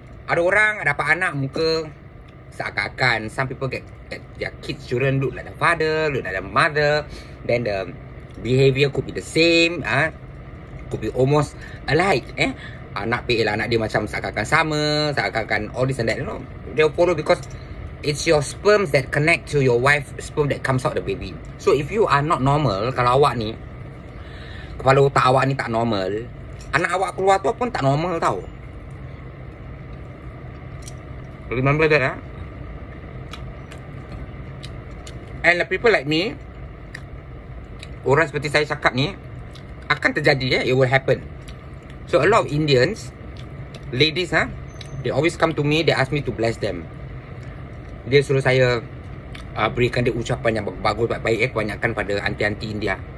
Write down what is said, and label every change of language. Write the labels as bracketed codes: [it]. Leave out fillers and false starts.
[ms] Ada orang dapat anak, muka seakan-akan. [en] Some people get their kids, children look like the father, look like the mother. Then the behavior could be the same, could be almost alike, [ms] Anak PL, anak dia macam seakan-akan sama, seakan-akan [en] all this and that, They follow because it's your sperm that connect to your wife sperm that comes out the baby. So if you are not normal, [ms] kalau awak ni, kepala otak awak ni tak normal, anak awak keluar tu pun tak normal tau. [en] Remember that, And the people like me, [ms] orang seperti saya cakap ni, akan terjadi, [en] It will happen. So a lot of Indians, ladies, they always come to me, they ask me to bless them. [ms] Dia suruh saya berikan dia ucapan yang bagus, baik-baik, kebanyakan pada auntie-auntie India.